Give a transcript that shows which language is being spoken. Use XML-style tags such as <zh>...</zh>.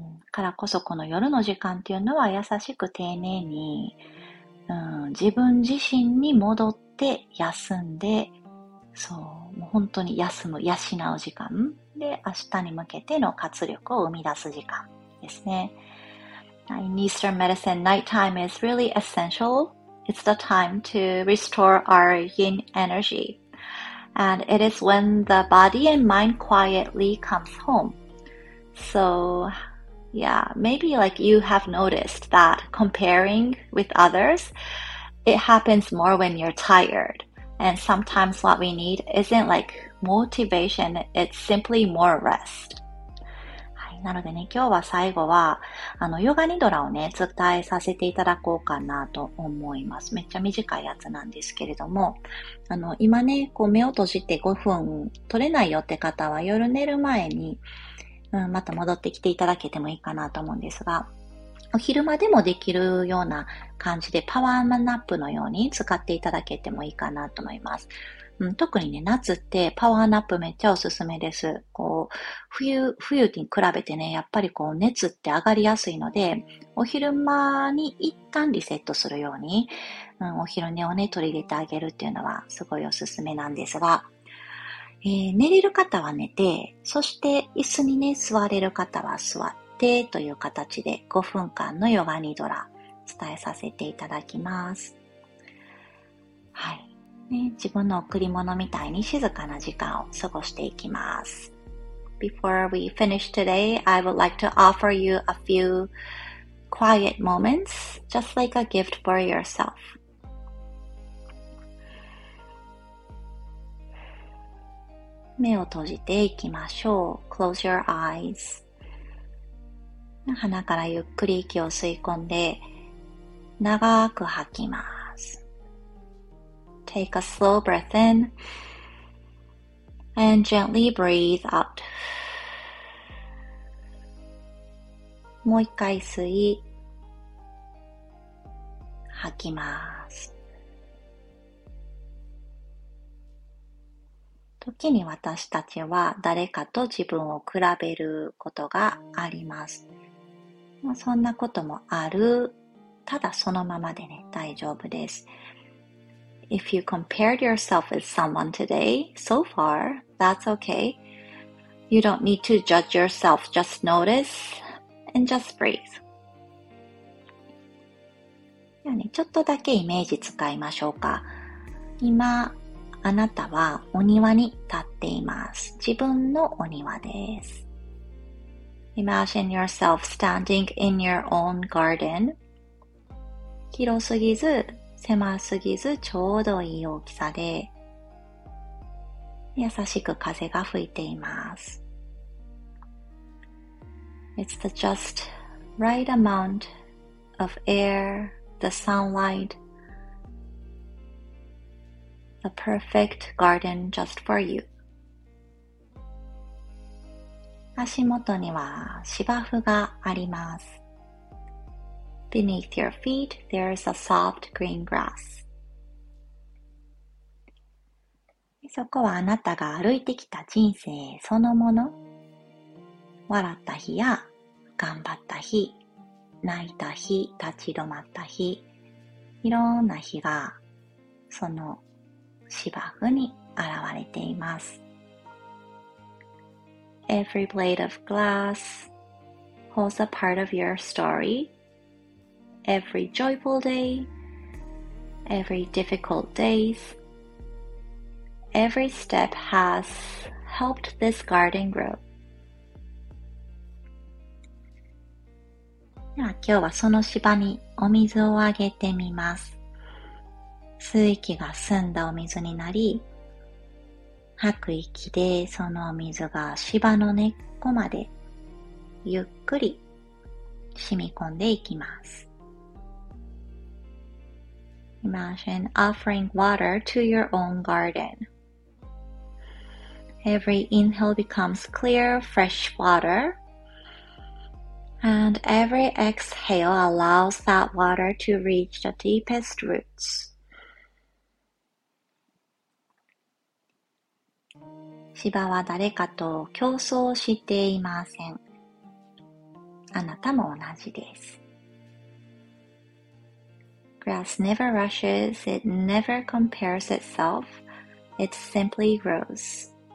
<ja>からこそこの夜の時間っていうのは優しく丁寧に、自分自身に戻って、で休んで、そう、もう本当に休む、養う時間で、明日に向けての活力を生み出す時間ですね。</ja> <en>In Eastern medicine, nighttime is really essential. It's the time to restore our yin energy. And it is when the body and mind quietly comes home. So, yeah, maybe like you have noticed that comparing with others, it happens more when you're tired. And sometimes what we need isn't like motivation, it's simply more rest.</en> <ja>なのでね、今日は最後は、ヨガニドラをね、伝えさせていただこうかなと思います。めっちゃ短いやつなんですけれども、今ね、こう目を閉じて5分取れないよって方は、夜寝る前に、また戻ってきていただけてもいいかなと思うんですが、お昼間でもできるような感じで、パワーマンナップのように使っていただけてもいいかなと思います。特にね、夏ってパワーナップめっちゃおすすめです。こう、冬に比べてね、やっぱりこう熱って上がりやすいので、お昼間に一旦リセットするように、お昼寝をね、取り入れてあげるっていうのはすごいおすすめなんですが、寝れる方は寝て、そして椅子にね、座れる方は座ってという形で5分間のヨガニドラ、伝えさせていただきます。はい。ね、自分の贈り物みたいに静かな時間を過ごしていきます。</ja> <en>Before we finish today, I would like to offer you a few quiet moments, just like a gift for yourself.</en> <ja>目を閉じていきましょう。</ja> <en>Close your eyes.</en> <ja>鼻からゆっくり息を吸い込んで、長く吐きます。</ja> <en>Take a slow breath in and gently breathe out.</en> <ja>もう一回吸い、吐きます。時に私たちは誰かと自分を比べることがあります。そんなこともある。ただそのままでね、大丈夫です。</ja> <en>If you compared yourself with someone today, so far, that's okay. You don't need to judge yourself. Just notice and just breathe.</en> <ja>じゃあね、ちょっとだけイメージ使いましょうか。今、あなたはお庭に立っています。自分のお庭です。</ja> <en>Imagine yourself standing in your own garden.</en> <ja>広すぎず、狭すぎずちょうどいい大きさで、優しく風が吹いています。</ja> <en>It's the just right amount of air, the sunlight, the perfect garden just for you.</en> <ja>足元には芝生があります。</ja> <en>Beneath your feet, there is a soft green grass.</en> <ja>そこはあなたが歩いてきた人生そのもの。笑った日や頑張った日、泣いた日、立ち止まった日、いろんな日がその芝生に現れています。</ja> <en>Every blade of grass holds a part of your story. Every joyful day, every difficult days, every step has helped this garden grow.</en> <ja>では今日はその芝にお水をあげてみます。水気が澄んだお水になり、吐く息でそのお水が芝の根っこまでゆっくり染み込んでいきます。</ja> <en>Imagine offering water to your own garden. Every inhale becomes clear, fresh water. And every exhale allows that water to reach the deepest roots.</en> <ja>芝は誰かと競争していません。あなたも同じです。</ja> <en>Grass never rushes, it never compares itself, it simply grows.</en>